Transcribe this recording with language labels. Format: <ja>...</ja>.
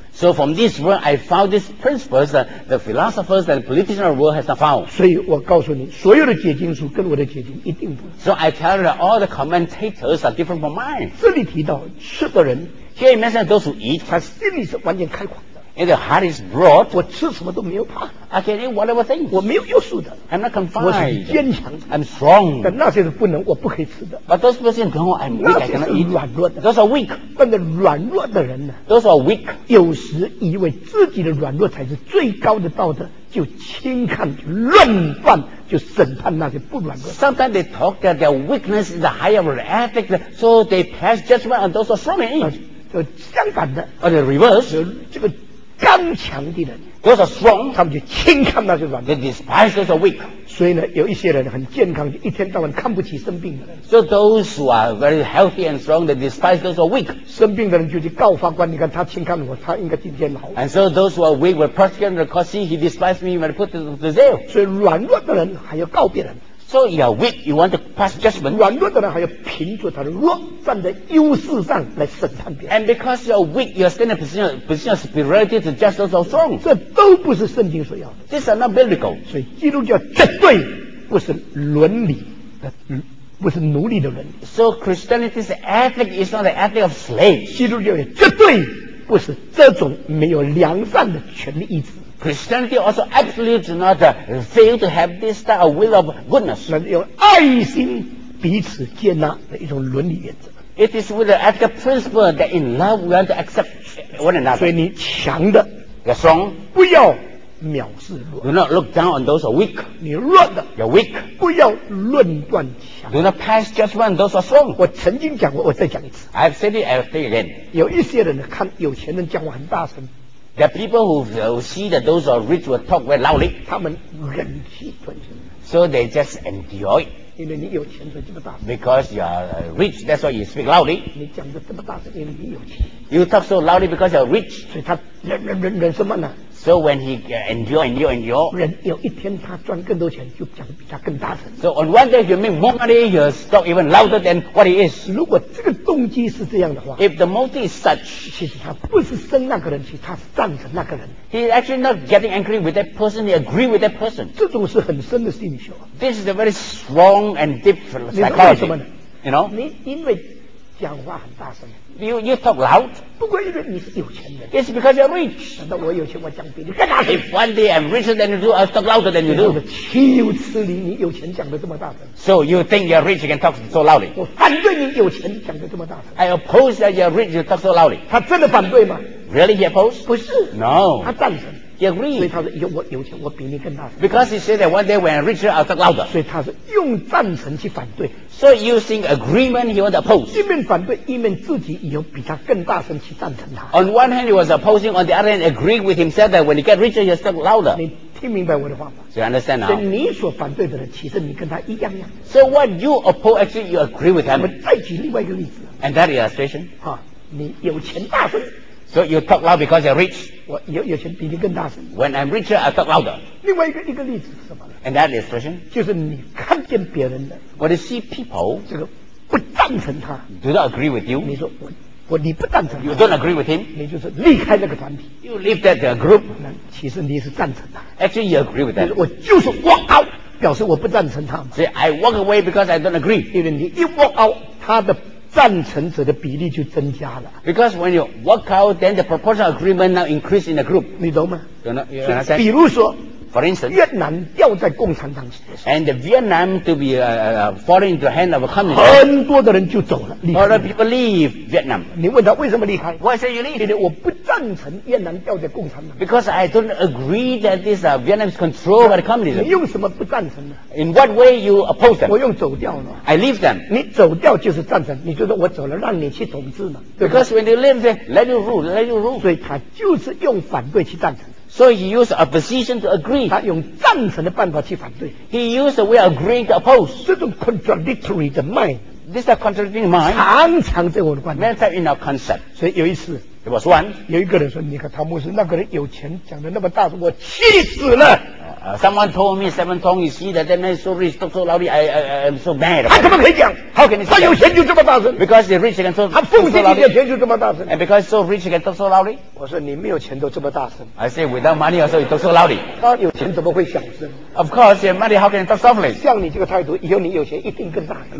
<en>So from this world, I found these principles that the philosophers and politicians of the world has not found.</en> <zh>所以我告诉你，所有的解经书跟我的解经一定不。</zh> <en>So I tell you that all the commentators are different from mine.</en> <zh>这里提到吃的人</zh> <en>，Here he mentions those who eat,</en> <zh>他心里是完全开阔。</zh> <en>And the heart is broad.</en> <zh>我吃什么都没有怕。</zh> <en>I can eat whatever things.</en> <zh>我没有约束的。</zh> <en>I'm not confined.</en> <zh>我是坚强的。</zh> <en>I'm strong.</en> <zh>但那些是不能，我不可以吃的。</zh> <en>But those persons don't know I'm weak. I cannot eat.</en> <zh>那些是软弱的。</zh> <en>Those are weak.</en> <zh>但是软弱的人呢</zh> <en>？Those are weak.</en> <zh>有时以为自己的软弱才是最高的道德，就轻看、就论断、就审判那些不软弱。</zh> <en>Sometimes they talk that their weakness is the higher of the ethics, so they pass judgment on those who are strong.</en> <zh>就相反的。</zh> <en>Or the reverse.</en> <zh>这个。刚强的人</zh> <en>，those are strong，</en> <zh>他们就轻看那些软弱</zh> <en>；they despise those weak。</en> <zh>所以呢，有一些人很健康，就一天到晚看不起生病的人。</zh> <en>So those who are very healthy and strong, they despise those who are weak。</en> <zh>生病的人就去告法官，你看他轻看我，他应该进监牢。</zh> <en>And so those who are weak were prosecuted because he despised me when I put him to jail。</en> <zh>所以软弱的人还要告别人。</zh> <en>So you are weak, you want to pass judgment.</en> <zh>软弱的人还要凭着他的弱，站在优势上来审判别人。</zh> <en>And because you are weak, you are standing in a position of superiority to judge those who are strong.</en> <zh>这都不是圣经所要的。</zh> <en>These are not biblical.</en> <zh>所以基督教绝对不是伦理的，不是奴隶的伦理。</zh> <en>So Christianity's ethic is not the ethic of slaves.</en> <zh>基督教也绝对不是这种没有良善的权利意志。</zh> <en>Christianity also absolutely does not fail to have this type of will of goodness.</en> <zh>那是用爱心彼此接纳的一种伦理原则。</zh> <en>It is with the ethical principle that in love we want to accept one another.</en> <zh>所以你强的</zh> <en>，you're strong，</en> <zh>不要藐视弱。</zh> <en>Do not look down on those who are weak.</en> <zh>你弱的</zh> <en>，you're weak，</en> <zh>不要论断强。</zh> <en>Do not pass judgment on those who are strong.</en> <zh>我曾经讲过，我再讲一次。</zh> <en>I've said it, I'll say it again.</en> <zh>有一些人看有钱人讲话很大声。</zh> <en>The people who see that those who are rich will talk very loudly.</en> <zh>他们忍气吞声。</zh> <en>So they just endure it.</en> <zh>因为你有钱才这么大声。</zh> <en>Because you are rich, that's why you speak loudly.</en> <zh>你讲的这么大声，因为你有钱。</zh> <en>You talk so loudly because you are rich.</en> <zh>所以他忍什么呢</zh> <en>？So when he endure.</en> <zh>人有一天他赚更多钱，就讲比他更大声。</zh> <en>So on one day you make more money, you talk even louder than what he is.</en> <zh>如果这个动机是这样的话</zh> <en>，If the motive is such，</en> <zh>其实他不是生那个人气，他是赞成那个人。</zh> <en>He is actually not getting angry with that person. He agree with that person.</en> <zh>这种是很深的心理学。</zh> <en>This is a very strong and deep psychology.</en> <zh>你知道为什么呢</zh> <en>？You know，</en> <zh>你因为讲话很大声。</zh> <en>You talk loud.</en> <zh>不过因为你是有钱人。</zh> <en>It's because you're rich.</en> <zh>难道我有钱我讲比你更大声</zh> <en>？One day I'm richer than you do. I talk louder than you do.</en> <zh>岂有此理！你有钱讲的这么大声。</zh> <en>So you think you're rich you can talk so loudly?</en> <zh>我反对你有钱讲的这么大声。</zh> <en>I oppose that you're rich you talk so loudly.</en> <zh>他真的反对吗</zh> <en>？Really he opposed?</en> <zh>不是。</zh> <en>No.</en> <zh>他赞成。</zh> <en>He agreed.</en> <zh>所以他说有我有钱我比你更大声。</zh> <en>Because he said that one day when I'm richer I'll talk louder.</en> <zh>所以他是用赞成去反对。</zh> <en>So using agreement he was opposed.</en> <zh>一面反对一面自己有比他更大声去赞成他。</zh> <en>On one hand he was opposing, on the other hand agreed with himself that when he get richer he'll talk louder.</en> <zh>你听明白我的话吗？</zh> <en>So you understand now?</en> <zh>所以你所反对的人其实你跟他一样样。</zh> <en>So what you oppose actually you agree with him.</en> <zh>我们再举另外一个例子。</zh> <en>And that illustration?</en> <zh>啊，你有钱大声。</zh> <en>So you talk loud because you're rich.</en> <zh>我有钱比你更大声。</zh> <en>When I'm richer, I talk louder.</en> <zh>另外一个例子是什么呢？</zh> <en>And that illustration?</en> <zh>就是你看见别人的。</zh> <en>When you see people,</en> <zh>这个不赞成他。</zh> <en>Do not agree with you?</en> <zh>你说我你不赞成他。</zh> <en>You don't agree with him?</en> <zh>你就是离开那个团体。</zh> <en>You leave that group?</en> <zh>那其实你是赞成他。</zh> <en>Actually, you agree with that.</en> <zh>我就是</zh> <en>walk out,</en> <zh>表示我不赞成他。</zh> <en>So I walk away because I don't agree.</en> <zh>因为你一</zh> <en>walk out,</en> <zh>他的赞成者的比例就增加了。</zh> <en>Because when you walk out, then the proportion agreement now increase in the group.</en> <zh>你懂吗？</zh> <en>You know, you understand?</en> <zh>比如说</zh> <en>，For instance,</en> <zh>越南掉在共产党手</zh> <en>上 ，and Vietnam to be falling into hand of a communist.</en> <zh>很多的人就走了。</zh> <en>A lot of people leave Vietnam.</en> <zh>你问他为什么离开</zh> <en>？Why should you leave?</en> <zh>因为我不赞成越南掉在共产党。</zh> <en>Because I don't agree that this Vietnam is controlled by the communism.</en> <zh>你用什么不赞成呢？</zh> <en>In what way you oppose them?</en> <zh>我用走掉了。</zh> <en>I leave them.</en> <zh>你走掉就是赞成，你觉得我走了让你去统治嘛？</zh> <en>Because when you leave, let you rule, let you rule.</en> <zh>所以他就是用反对去赞成。</zh> <en>So he used opposition to agree.</en> <zh>他用赞成的办法去反对。</zh> <en>He used the way of agreeing to oppose.</en> <zh>这种</zh> <en>contradictory</en> <zh>的</zh> <en>mind. This is a contradicting mind.</en> <zh>常常在我的观点。</zh> <en>Many times in our concept.</en> <zh>所以有一次。</zh> <en>It was one.</en> <zh>有一个人说你看陶牧师那个人有钱讲得那么大声我气死了。</zh> <en>Someone told me, Seven Tong, you see that man is so rich, talk so loudly, I'm so mad.</en> <zh>他怎么可以讲？</zh> <en>How can he say?</en> <zh>他有钱就这么大声。</zh> <en>Because he's rich, he can talk so loudly.</en> <zh>他奉献你有钱就这么大声。</zh> <en>And because he's so rich, he can talk so loudly.</en> <zh>我说你没有钱都这么大声。</zh> <en>I say without money also you talk so loudly.</en> <zh>他有钱怎么会小声？</zh> <en>Of course, your money, how can you talk softly?</en> <zh>像你这个态度，以后你有钱一定更大声。</zh>